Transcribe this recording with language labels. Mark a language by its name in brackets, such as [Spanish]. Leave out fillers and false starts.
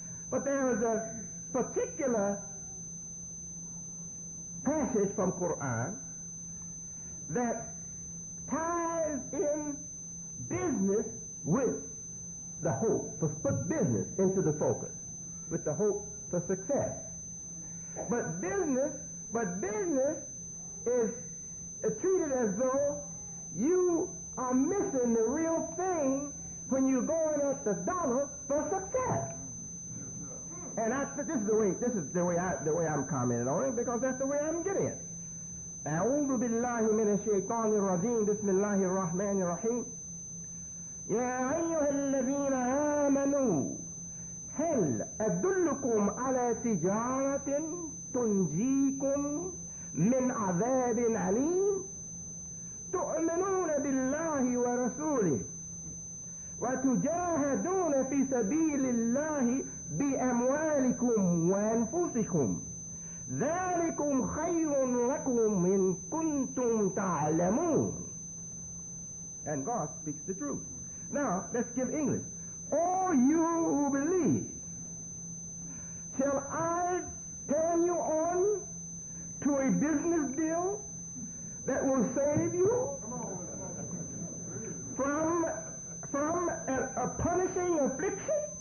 [English] But there is a particular passage from Quran that ties in business with the hope for put business into the focus with the hope for success. But business is treated as though you are missing the real thing when you're going at the dollar for success. And this is the way I'm commenting on it, because that's the way I'm getting it. [Arabic] أعوذ بالله من الشيطان الرجيم بسم الله الرحمن الرحيم يا أيها الذين آمنوا هل أدلكم على تجارة تنجيكم من عذاب أليم تؤمنون بالله ورسوله وتجاهدون في سبيل الله بأموالكم وأنفسكم ذلكم خير لكم إن كنتم تعلمون. [English] And God speaks the truth. Now, let's give English. All you who believe, shall I turn you on to a business deal that will save you from a punishing affliction?